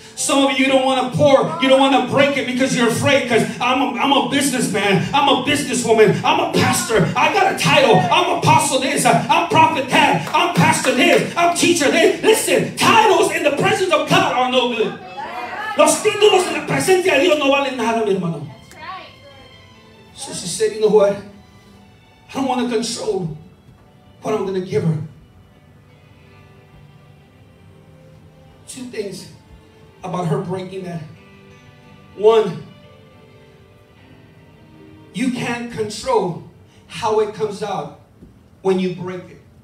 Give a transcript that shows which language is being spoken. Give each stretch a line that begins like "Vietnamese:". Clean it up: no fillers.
English: Some of you don't want to pour. You don't want to break it because you're afraid. Because I'm a businessman. I'm a businesswoman. I'm a pastor. I got a title. I'm apostle this. I'm prophet that. I'm pastor this. I'm teacher this. Listen, titles in the presence of God are no good.
Spanish: Los títulos en la presencia de Dios no valen nada, mi hermano.
English: So she said, you know what? I don't want to control what I'm going to give her. Two things about her breaking that. One, you can't control how it comes out when you break it.